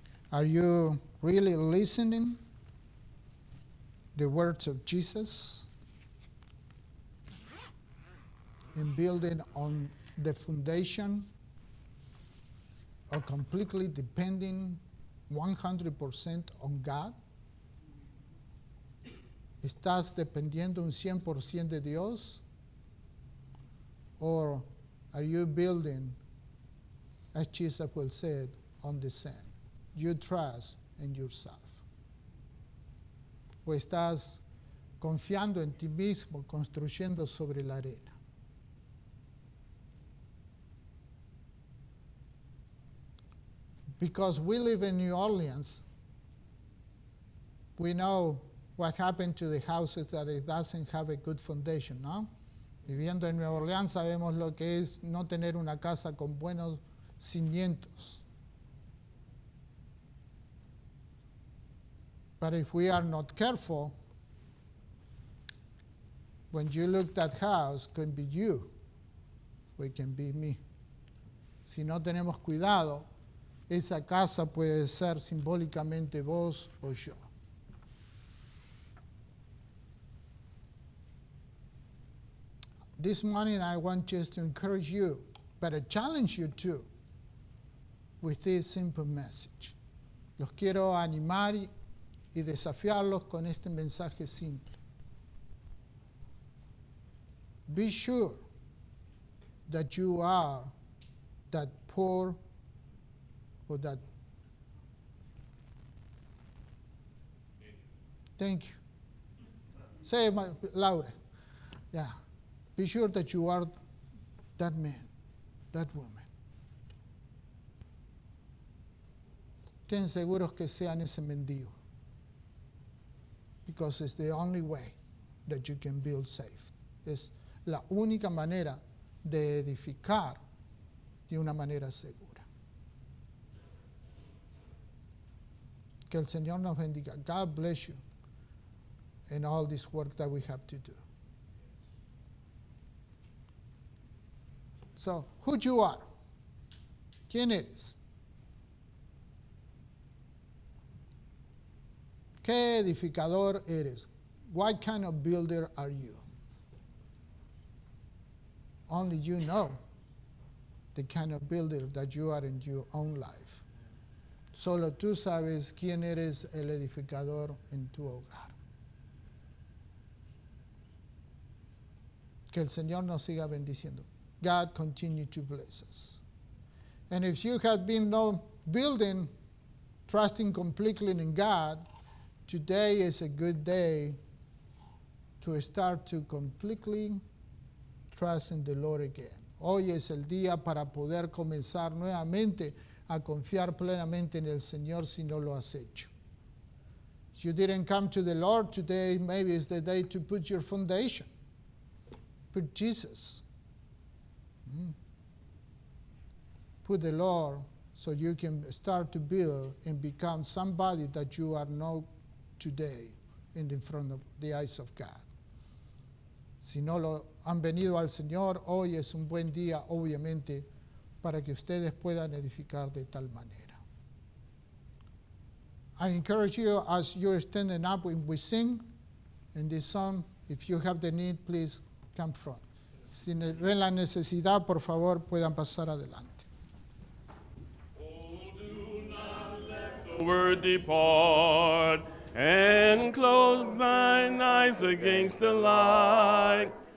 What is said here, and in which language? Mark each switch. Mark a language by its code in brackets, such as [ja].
[en] Are you really listening the words of Jesus in building on the foundation or completely depending 100% on God? [es] ¿Estás dependiendo un 100% de Dios? [en] Or are you building, as Jesus will say, on the sand? You trust in yourself. [es] ¿O estás confiando en ti mismo, construyendo sobre la arena? [en] Because we live in New Orleans, we know what happened to the houses that it doesn't have a good foundation, [es] ¿no? Viviendo en Nueva Orleans sabemos lo que es no tener una casa con buenos cimientos. [en] But if we are not careful, when you look at that house, it can be you, or it can be me. [es] Si no tenemos cuidado, esa casa puede ser simbólicamente vos o yo. [en] This morning I want just to encourage you, but I challenge you too, with this simple message. [es] Los quiero animar y desafiarlos con este mensaje simple. [en] Be sure that you are that poor or that. Thank you. Say it louder. Yeah. Be sure that you are that man, that woman. [es] Estén seguros que sean ese mendigo. [en] Because it's the only way that you can build safe. [es] Es la única manera de edificar de una manera segura. Que el Señor nos bendiga. [en] God bless you in all this work that we have to do. So, who you are? [es] ¿Quién eres? ¿Qué edificador eres? [en] What kind of builder are you? Only you know the kind of builder that you are in your own life. [es] Solo tú sabes quién eres el edificador en tu hogar. Que el Señor nos siga bendiciendo. [en] God continue to bless us. And if you had been no building, trusting completely in God, today is a good day to start to completely trust in the Lord again. [es] Hoy es el día para poder comenzar nuevamente a confiar plenamente en el Señor si no lo has hecho. [en] If you didn't come to the Lord today, maybe it's the day to put your foundation. Put Jesus. Put the Lord so you can start to build and become somebody that you are not today in the front of the eyes of God. [es] Si no lo han venido al Señor, hoy es un buen día, obviamente, para que ustedes puedan edificar de tal manera. [en] I encourage you, as you're standing up when we sing in this song, if you have the need, please come front. [es] Si ven la necesidad, por favor, puedan pasar adelante. [en] Oh, do not let the word depart and close thine eyes against the light.